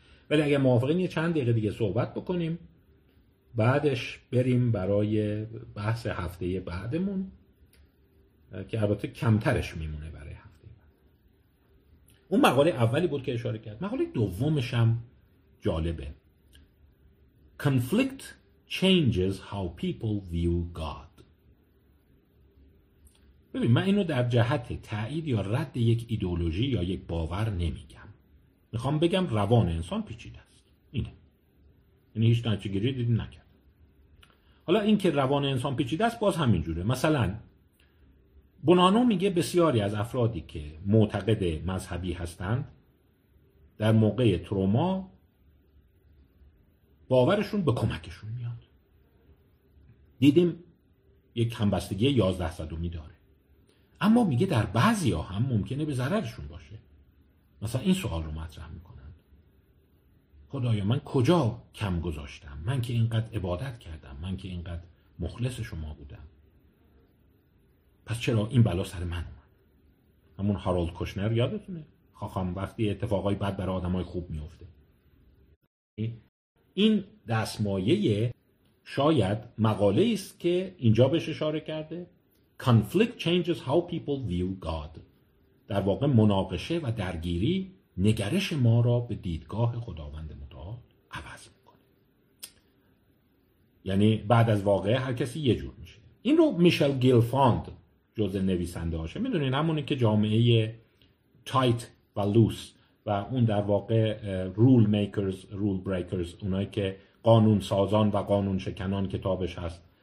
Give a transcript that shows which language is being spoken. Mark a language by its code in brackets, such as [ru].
[fa] ولی اگه موافقین یه چند دقیقه دیگه صحبت بکنیم، بعدش بریم برای بحث هفته بعدمون که البته کمترش میمونه برای هفته بعد. اون مقاله اولی بود که اشاره کرد. مقاله دومش هم جالبه. [en] Conflict changes how people view God. [fa] ببین من اینو در جهت تأیید یا رد یک ایدئولوژی یا یک باور نمیگم، میخوام بگم روان انسان پیچیده است. اینه، یعنی هیچ نتیجه‌گیری دیدی نکرد. حالا اینکه روان انسان پیچیده است باز همینجوره. مثلا بونانو میگه بسیاری از افرادی که معتقد مذهبی هستند در موقع تروما باورشون به کمکشون میاد. دیدیم یک همبستگی 1100 داره، اما میگه در بعضی ها هم ممکنه به ضررشون باشه. مثلا این سوال رو مطرح میکنن، خدایا من کجا کم گذاشتم؟ من که اینقدر عبادت کردم، من که اینقدر مخلص شما بودم، پس چرا این بلا سر من اومد؟ همون هارولد کوشنر یادتونه؟ خواهم وقتی اتفاقای بد برای آدم های خوب میفته. این دستمایه شاید مقاله است که اینجا بهش اشاره کرده. [en] Conflict changes how people view God. [fa] در واقع مناقشه و درگیری نگرش ما را به دیدگاه خداوند متعال عوض میکنه. یعنی بعد از واقعه هر کسی یه جور میشه. این رو میشل گیلفاند جز نویسنده هاشه. میدونین همونه که جامعه تایت و لوس و اون در واقع [en] rule makers, rule breakers, [fa] اونایی که قانون سازان و قانون شکنان کتابش هست.